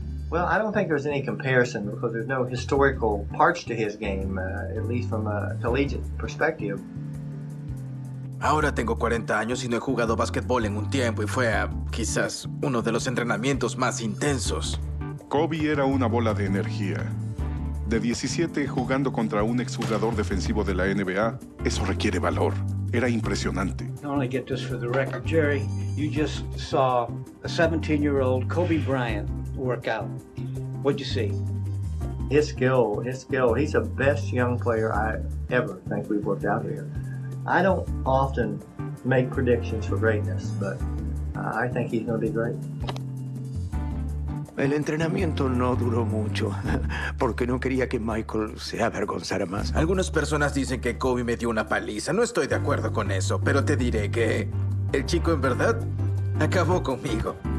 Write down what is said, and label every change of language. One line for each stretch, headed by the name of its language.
English: Well, I don't think there's any comparison because there's no historical parts to his game, at least from a collegiate perspective.
Spanish: Ahora tengo 40 años y no he jugado basketball en un tiempo y fue, quizás, uno de los entrenamientos más intensos. Kobe era una bola de energía. De 17, jugando contra un exjugador defensivo de la NBA, eso requiere valor. Era impresionante.
English: I only get this for the record, Jerry. You just saw a 17-year-old Kobe Bryant work out. What'd you see? His skill. He's the best young player I ever think we've worked out here. I don't often make predictions for greatness, but I think he's going to be great.
Spanish: El entrenamiento no duró mucho, porque no quería que Michael se avergonzara más. Algunas personas dicen que Kobe me dio una paliza. No estoy de acuerdo con eso, pero te diré que el chico en verdad acabó conmigo.